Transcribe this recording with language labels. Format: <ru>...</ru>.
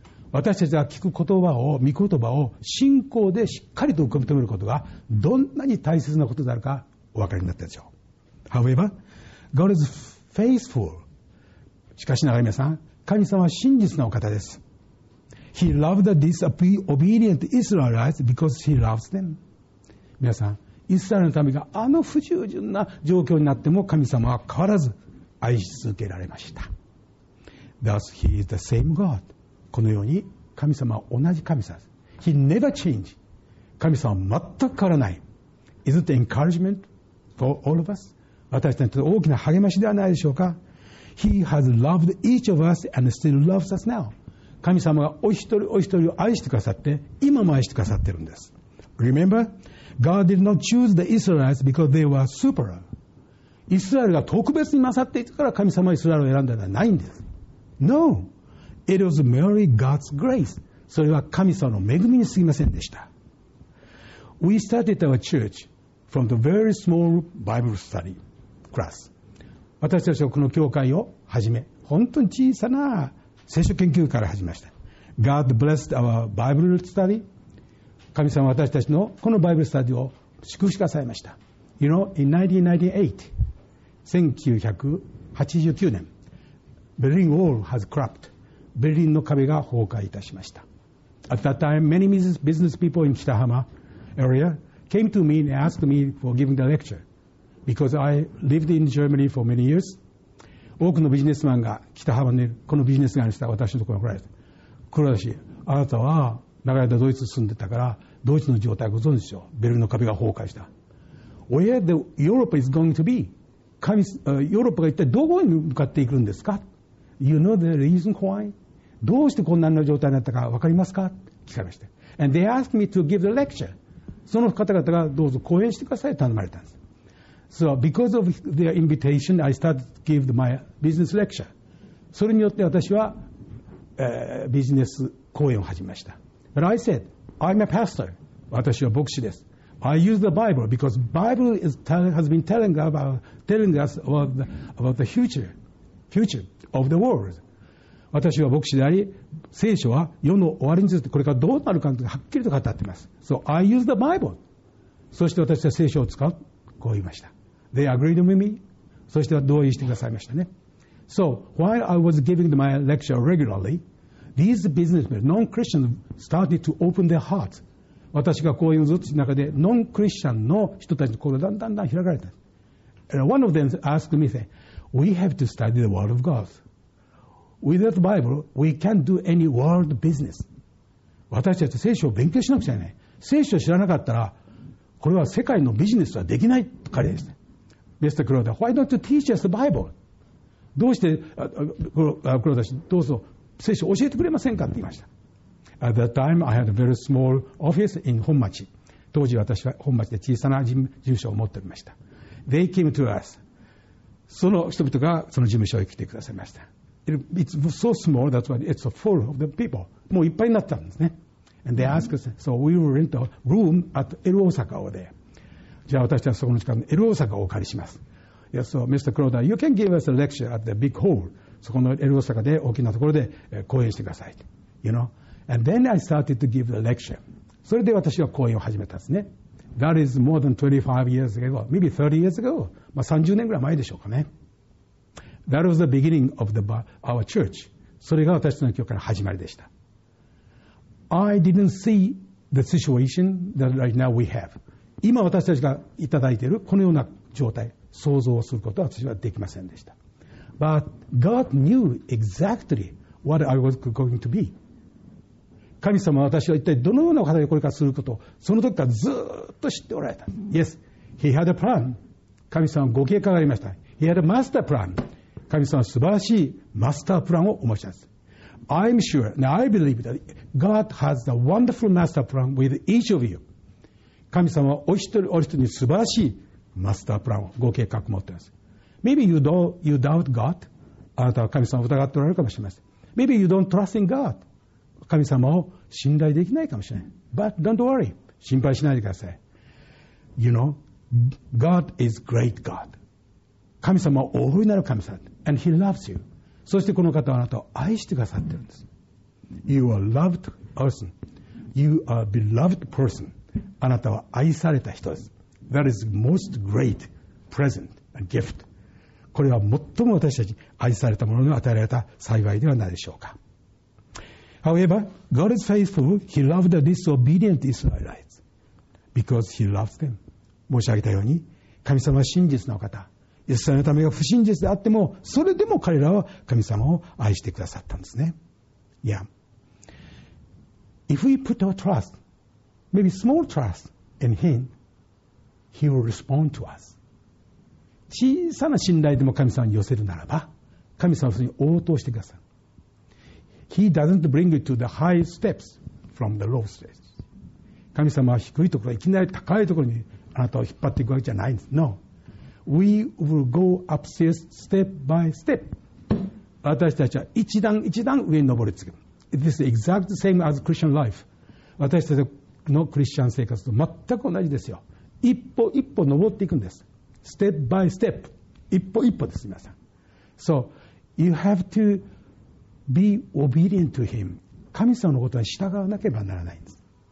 <ja>私たちが聞く言葉を、御言葉を信仰でしっかりと受け止めることがどんなに大切なことであるかお分かりになったでしょう。</ja> <en>However, God is faithful.</en> <ja>しかしながら皆さん、神様は真実なお方です。</ja> <en>He loved the disobedient Israelites because he loves them.</en> <ja>皆さん、イスラエルの民があの不従順な状況になっても神様は変わらず愛し続けられました。</ja> <en>Thus, he is the same God.</en> <ja>このように神様は同じ神様です。</ja> <en>He never changed.</en> <ja>神様は全く変わらない。</ja> <en>Is it encouragement for all of us?</en> <ja>私たちの大きな励ましではないでしょうか。</ja> <en>He has loved each of us and still loves us now.</en> <ja>神様がお一人お一人を愛してくださって、今も愛してくださっているんです。</ja> <en>Remember, God did not choose the Israelites because they were super.</en> <ja>イスラエルが特別に勝っていたから神様はイスラエルを選んだのではないんです。</ja> <en>No! It was merely God's grace.</en> <ja>それは神様の恵みにすぎませんでした。</ja> <en>We started our church from the very small Bible study class.</en> <ja>私たちはこの教会を始め、本当に小さな聖書研究から始めました。</ja> <en>God blessed our Bible study.</en> <ja>神様は私たちのこのバイブルスタディを祝福されました。</ja> <en>You know, in 1989年、Berlin Wall has collapsed.</en> <ja>ベルリンの壁が崩壊いたしました。</ja> <en>At that time, many business people in Kitahama area came to me and asked me for giving the lecture because I lived in Germany for many years.</en> <ja>多くのビジネスマンが北浜にこのビジネスがありました。私のところに来られて、黒田氏、あなたは長い間ドイツ住んでたからドイツの状態ご存知でしょう。ベルリンの壁が崩壊した。</ja> <en>Where the Europe is going to be?</en> <ja>ヨーロッパが一体どこに向かっていくんですか？</ja> <en>You know the reason why?</en> <ja>どうしてこんなの状態になったか分かりますか？聞かれました。</ja> <en>And they asked me to give the lecture.</en> <ja>その方々がどうぞ講演してください頼まれたんです。</ja> <en>So because of their invitation, I started to give my business lecture.</en> <ja>それによって私は、ビジネス講演を始めました。</ja> <en>But I said, I'm a pastor.</en> <ja>私は牧師です。</ja> <en>I use the Bible because Bible is has been telling us about the future. Of the world.</en> <ja>私は牧師であり、聖書は世の終わりについてこれからどうなるかはっきりと語っています。</ja> <en>So I use the Bible.</en> <ja>そして私は聖書を使う。こう言いました。</ja> <en>They agreed with me.</en> <ja>そして同意してくださいましたね。</ja> <en>So while I was giving my lecture regularly, these businessmen, non-Christians, started to open their hearts.</en> <ja>私が講演をずっと中で、non-Christian の人たちの心がだんだんだん開かれた。</ja> <en>And one of them asked me, say,We have to study the Word of God. Without Bible, we can't do any world business.</en> <ja>私たち聖書を勉強しなくちゃいけない。聖書を知らなかったら、これは世界のビジネスはできないと彼ですね。</ja> <en>Mr. Crowder, why don't you teach us the Bible?</en> <ja>どうして、Crowder 氏、どうぞ聖書を教えてくれませんかと言いました。</ja> <en>At that time I had a very small office in 本町。</en> <ja>当時私は本町で小さな住所を持っておりました。</ja> <en>They came to us。</en> <ja>その人々がその事務所へ来てくださいました。</ja> <en>It's so small, that's why it's full of the people。</en> <ja>もういっぱいになったんですね。</ja> <en>And they asked us, so we will rent a room at L 大阪 over there。</en> <ja>じゃあ私はそこの時間に L 大阪をお借りします。</ja> <en>Yes, so Mr. Crowder, you can give us a lecture at the big hall。</en> <ja>そこの L 大阪で大きなところで講演してください。</ja> <en>You know? And then I started to give the lecture。</en> <ja>それで私は講演を始めたんですね。</ja> <en>That is more than 25 years ago. Maybe 30 years ago.</en> <ja>まあ30年ぐらい前でしょうかね。</ja> <en>That was the beginning of our church.</en> <ja>それが私の教会の始まりでした。</ja> <en>I didn't see the situation that right now we have.</en> <ja>今私たちがいただいているこのような状態、想像をすることは私はできませんでした。</ja> <en>But God knew exactly what I was going to be.</en> <ja>神様は私は一体どのような方でこれからすることをその時からずっと知っておられた。</ja> <en>Yes, he had a plan.</en> <ja>神様はご計画がありました。</ja> <en>He had a master plan.</en> <ja>神様は素晴らしいマスタープランをお持ちです。</ja> <en>I'm sure, now I believe that God has a wonderful master plan with each of you.</en> <ja>神様はお一人お一人に素晴らしいマスタープランをご計画を持っています。</ja> <en>Maybe you doubt God.</en> <ja>あなたは神様を疑っておられるかもしれません。</ja> <en>Maybe you don't trust in God.</en> <ja>神様を信頼できないかもしれない。</ja> <en>But don't worry.</en> <ja>心配しないでください。</ja> <en>You know, God is great God.</en> <ja>神様は大いなる神様。</ja> <en>And he loves you.</en> <ja>そしてこの方はあなたを愛してくださっているんです。</ja> <en>You are loved person. You are beloved person.</en> <ja>あなたは愛された人です。</ja> <en>That is most great present and gift.</en> <ja>これは最も私たちに愛されたものに与えられた幸いではないでしょうか。</ja> <en>However, God is faithful. He loved the disobedient Israelites because he loves them.</en> <ja>申し上げたように、神様は真実の方。イスラエルのためが不真実であっても、それでも彼らは神様を愛してくださったんですね。</ja> <en>Yeah. If we put our trust, maybe small trust in him, he will respond to us.</en> <ja>小さな信頼でも神様に寄せるならば、神様はそれに応答してください。</ja> <en>He doesn't bring it to the high steps from the low steps.</en> <ja>神様は低いところ、いきなり高いところにあなたを引っ張っていくわけじゃないんです。</ja> <en>No. We will go upstairs step by step.</en> <ja>私たちは一段一段上に登りつく。</ja> <en>It is the exact same as Christian life.</en> <ja>私たちのクリスチャン生活と全く同じですよ。一歩一歩登っていくんです。</ja> <en>Step by step.</en> <ja>一歩一歩です、皆さん。</ja> <en>So, you have toBe obedient to him.</en> <ja>神様のことに従わなければならないんです。</ja>